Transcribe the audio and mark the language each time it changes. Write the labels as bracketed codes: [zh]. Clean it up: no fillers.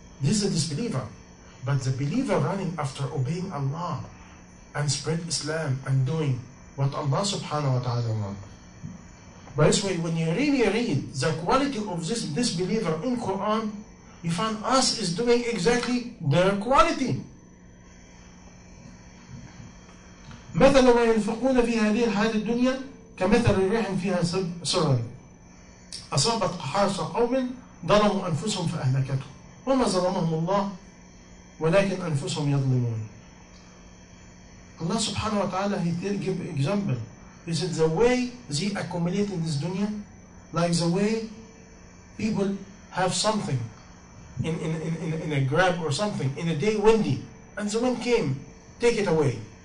[en] This is a disbeliever. But the believer running after obeying Allah and spread Islam and doing what Allah subhanahu wa ta'ala want. By this way, when you really read the quality of this disbeliever in Quran, you find us is doing exactly their quality. [ar] مثل ما ينفقون في هذه الحياة الدنيا كمثل الريح فيها سرا أصابت قحاص قوم ظلموا أنفسهم فأهلكتهم وما ظلمهم الله ولكن أنفسهم يظلمون. [en] Allah subhanahu wa ta'ala, he did give an example. He said the way they accumulate in this dunya, like the way people have something in a grab or something in a day windy, and the wind came, take it away.